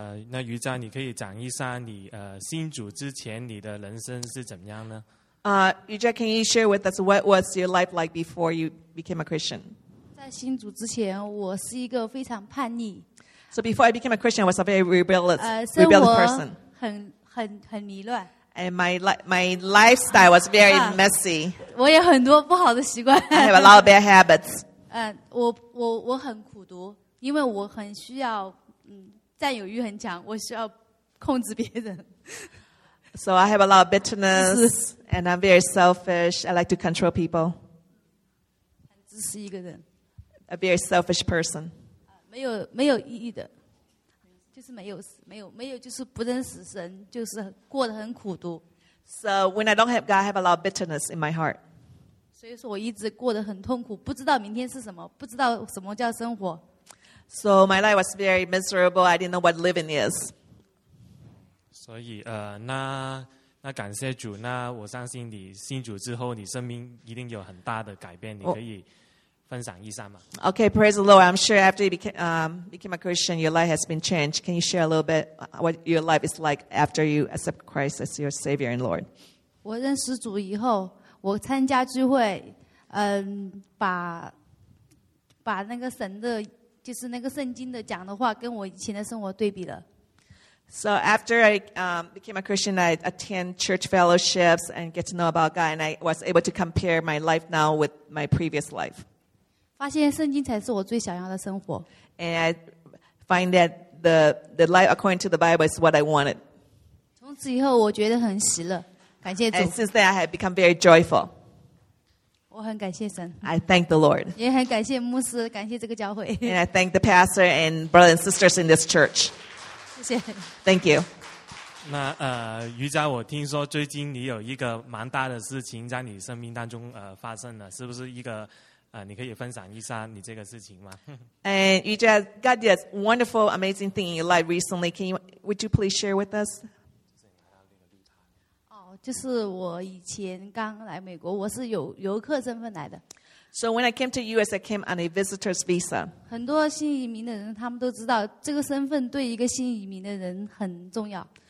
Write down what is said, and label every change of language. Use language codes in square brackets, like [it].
[zh] 那瑜伽，你可以讲一下你信主之前你的人生是怎么样呢？ [en] Yuja, can you share with us what was your life like before you became a Christian? [zh] 在信主之前，我是一个非常叛逆。 [en] So before I became a Christian, I was a very rebellious person. [zh] 很迷乱。 [en] And my lifestyle was very messy. [zh] 我有很多不好的习惯。 [en] I have a lot of bad habits. [zh] 我很苦读，因为我很需要占有欲很强，我需要控制别人。 [en] So I have a lot of bitterness, and I'm very selfish. I like to control people. [zh] 很自私一个人。 [en] A very selfish person. [zh] 没有意义的，就是没有就是不认识神，就是过得很苦读。 [en] So when I don't have God, I have a lot of bitterness in my heart. [zh] 所以说我一直过得很痛苦，不知道明天是什么，不知道什么叫生活。 [en] So my life was very miserable. I didn't know what living is. [zh] 所以那感谢主，那我相信你信主之后，你生命一定有很大的改变。你可以分享一下吗 [en] ？Okay, praise the Lord. I'm sure after you became a Christian, your life has been changed. Can you share a little bit what your life is like after you accept Christ as your Savior and Lord? [zh] 我认识主以后。我参加聚会，把那个神的，就是那个圣经的讲的话，跟我以前的生活对比了。 [en] So after I became a Christian, I attend church fellowships and get to know about God, and I was able to compare my life now with my previous life. [zh] 发现圣经才是我最想要的生活。 [en] And I find that the life according to the Bible is what I wanted. [zh] 从此以后，我觉得很喜乐。 [en] And since then, I have become very joyful. [zh] 我很感谢神。 [en] I thank the Lord. [zh] 也很感谢牧师，感谢这个教会。 [en] And I thank the pastor and brothers and sisters in this church. [zh] 谢谢。 [en] Thank you. [zh] 那瑜伽，我听说最近你有一个蛮大的事情在你生命当中发生了，是不是一个你可以分享一下你这个事情吗 [en] ？And Yuja, God did a wonderful, amazing thing in your life recently. Would you please share with us? [zh] 就是我以前刚来美国，我是有游客身份来的。 [en] So when I came to U.S., I came on a visitor's visa. [zh] 很多新移民的人，他们都知道这个身份对一个新移民的人很重要。